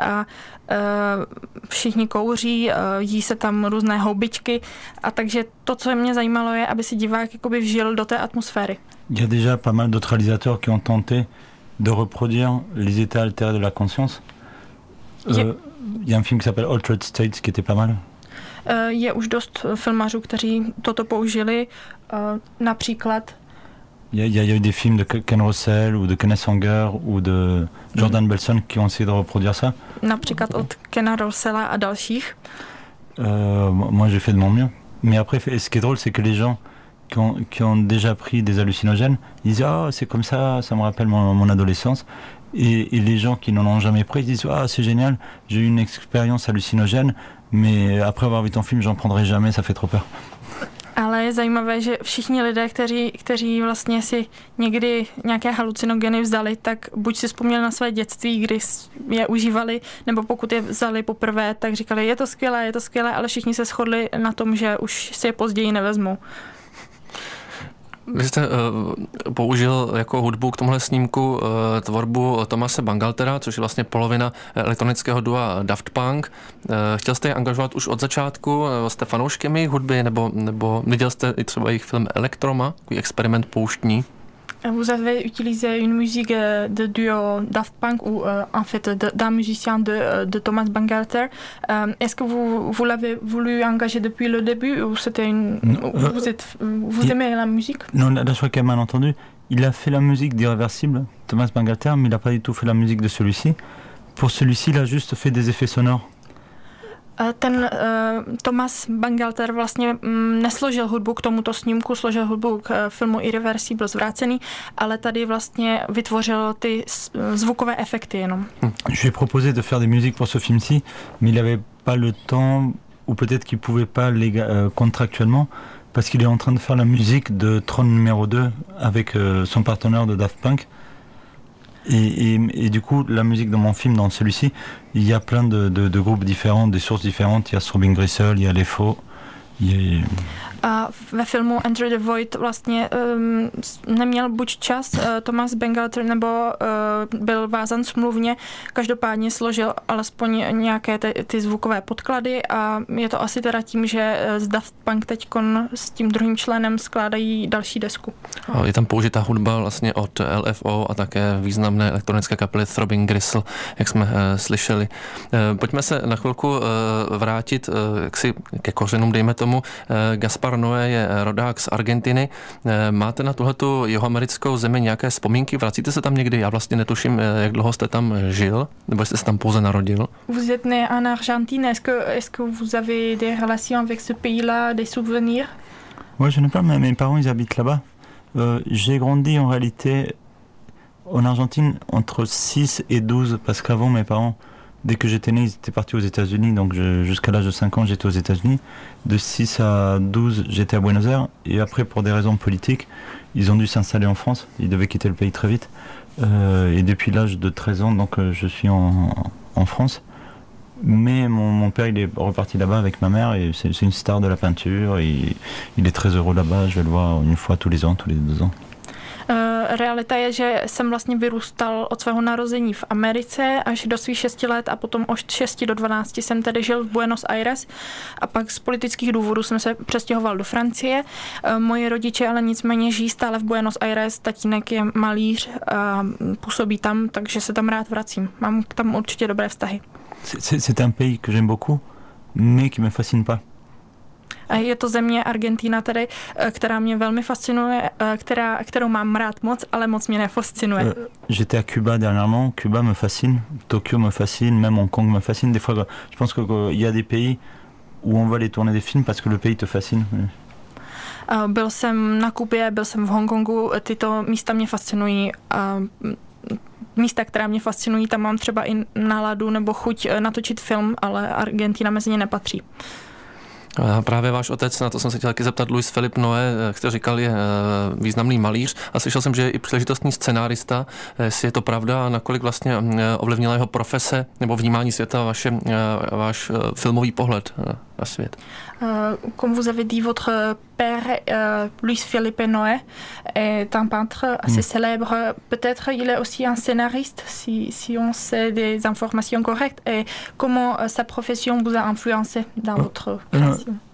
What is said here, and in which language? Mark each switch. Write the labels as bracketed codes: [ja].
[cs] A všichni kouří, jí se tam různé houbičky. A takže to, co mě zajímalo, je, aby si divák jakoby vžil do té atmosféry. [fr] Je déjà pas mal d'autres réalisateurs qui ont tenté de reproduire les états altérés de la conscience. Il y a un film qui s'appelle Altered States qui était pas mal. Il y a déjà [cs] dost filmařů, kteří toto použili, například. [fr] Il y a eu des films de Ken Russell ou de Kenneth Anger ou de Jordan Belson qui ont essayé de reproduire ça. [cs] Například od Kena Russella a dalších. [fr] Moi j'ai fait de mon mieux. Mais après, ce qui est drôle, c'est que les gens qui ont déjà pris des hallucinogènes, ils disent « Ah, oh, c'est comme ça, ça me rappelle mon adolescence. » Et les gens qui n'en ont jamais pris, ils disent « Ah, oh, c'est génial, j'ai eu une expérience hallucinogène, mais après avoir vu ton film, j'en prendrai jamais, ça fait trop peur. » [cs] Ale je zajímavé, že všichni lidé, kteří vlastně si někdy nějaké halucinogeny vzali, tak buď si vzpomněli na své dětství, kdy je užívali, nebo pokud je vzali poprvé, tak říkali « je to skvělé, ale všichni se shodli na tom, že už si je později nevezmou. Vy jste použil jako hudbu k tomhle snímku tvorbu Tomase Bangaltera, což je vlastně polovina elektronického dua Daft Punk. Chtěl jste je angažovat už od začátku? Jste fanouškem jejich hudby? Nebo viděl jste i třeba jejich film Electroma, takový experiment pouštní? [fr] Vous avez utilisé une musique de duo Daft Punk ou en fait d'un musicien de Thomas Bangalter. Est-ce que vous l'avez voulu engager depuis le début ou c'était une... Vous aimez la musique? Non, là, je crois qu'il y a mal entendu. Il a fait la musique d'Irréversible, Thomas Bangalter, mais il n'a pas du tout fait la musique de celui-ci. Pour celui-ci, il a juste fait des effets sonores. [cs] Ten Thomas Bangalter vlastně nesložil hudbu k tomuto snímku, složil hudbu k filmu Irreversible Zvrácený, ale tady vlastně vytvořil ty zvukové efekty jenom. [fr] Je lui ai proposé de faire des musiques pour ce film-ci, mais il avait pas le temps ou peut-être qu'il pouvait pas contractuellement parce qu'il est en train de faire la musique de Tron numéro 2 avec son partenaire de Daft Punk. Et du coup, la musique dans mon film, dans celui-ci, il y a plein de groupes différents, des sources différentes. Il y a Strobing Gristle, il y a Les Faux. [cs] A ve filmu Enter the Void vlastně neměl buď čas Thomas Bangalter, nebo byl vázan smluvně. Každopádně složil alespoň nějaké ty zvukové podklady a je to asi teda tím, že z Daft Punk teďkon s tím druhým členem skládají další desku. Je tam použitá hudba vlastně od LFO a také významné elektronické kapely Throbbing Gristle, jak jsme slyšeli. Pojďme se na chvilku vrátit ke kořenům, dejme tomu. Gaspar Gaspar Noé je rodák z Argentiny. Máte na tuhletu jihoamerickou zemi nějaké vzpomínky? Vracíte se tam někdy? Já vlastně netuším, jak dlouho jste tam žil, nebo jste se tam pouze narodil. [fr] Vous êtes né en Argentine. Est-ce que vous avez des relations avec ce pays-là, des souvenirs? Oui, je n'ai pas, mais mes parents, ils habitent là-bas. J'ai grandi en réalité en Argentine entre 6 et 12, parce qu'avant mes parents, dès que j'étais né, ils étaient partis aux États-Unis, donc jusqu'à l'âge de 5 ans, j'étais aux États-Unis. De 6 à 12, j'étais à Buenos Aires, et après, pour des raisons politiques, ils ont dû s'installer en France, ils devaient quitter le pays très vite. Et depuis l'âge de 13 ans, donc je suis en France. Mais mon père, il est reparti là-bas avec ma mère, et c'est une star de la peinture, et il est très heureux là-bas, je vais le voir une fois tous les ans, tous les deux ans. [cs] Realita je, že jsem vlastně vyrůstal od svého narození v Americe až do svých 6 let a potom od 6 do 12 jsem tedy žil v Buenos Aires a pak z politických důvodů jsem se přestěhoval do Francie. Moji rodiče ale nicméně žijí stále v Buenos Aires, tatínek je malíř a působí tam, takže se tam rád vracím. Mám tam určitě dobré vztahy. [fr] C'est un pays que j'aime beaucoup, mais qui me fascine pas. [cs] Je to země Argentina tedy, která mě velmi fascinuje, kterou mám rád moc, ale moc mě nefascinuje. [fr] J'étais à Cuba dernièrement, Cuba me fascine, Tokyo me fascine, même Hong Kong me fascine. Des fois, je pense qu'il y a des pays où on va aller tourner des films parce que le pays te fascine. [cs] Byl jsem na Kubě, byl jsem v Hongkongu, tyto místa mě fascinují. Místa, která mě fascinují, tam mám třeba i náladu nebo chuť natočit film, ale Argentina mezi ně nepatří. Právě váš otec, na to jsem se chtěl taky zeptat, Luis Felipe Noé, jak jste říkal, je významný malíř a slyšel jsem, že je i příležitostný scenárista. Jestli je to pravda a nakolik vlastně ovlivnila jeho profese nebo vnímání světa váš filmový pohled na svět? [fr] Comme vous avez dit, votre père, Luis Felipe Noé, est un peintre assez célèbre. Peut-être il est aussi un scénariste, si on sait des informations correctes. Et comment sa profession vous a influencé dans votre création?